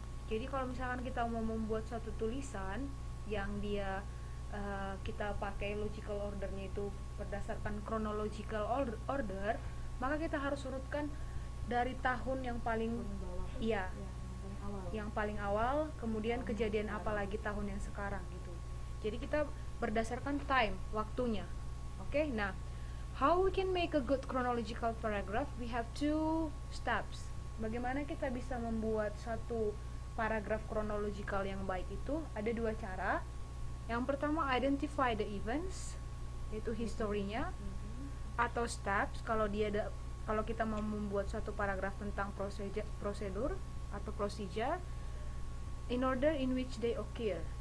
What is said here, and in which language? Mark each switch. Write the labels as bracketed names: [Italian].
[Indonesian] Jadi kalau misalkan kita mau membuat suatu tulisan yang dia kita pakai logical ordernya itu berdasarkan chronological order, maka kita harus urutkan dari tahun yang paling bawah. Iya, yang paling awal, kemudian kejadian apa lagi tahun yang sekarang gitu. Jadi kita berdasarkan time, waktunya. Oke, okay? [English] Nah, how we can make a good chronological paragraph? We have 2 steps. [Indonesian] Bagaimana kita bisa membuat satu paragraf chronological yang baik itu? Ada 2 cara. Yang pertama, [English] identify the events, [Indonesian] yaitu historinya, atau steps. Kalau dia ada, kalau kita mau membuat satu paragraf tentang prosedur atau procedure, [English] in order in which they occur.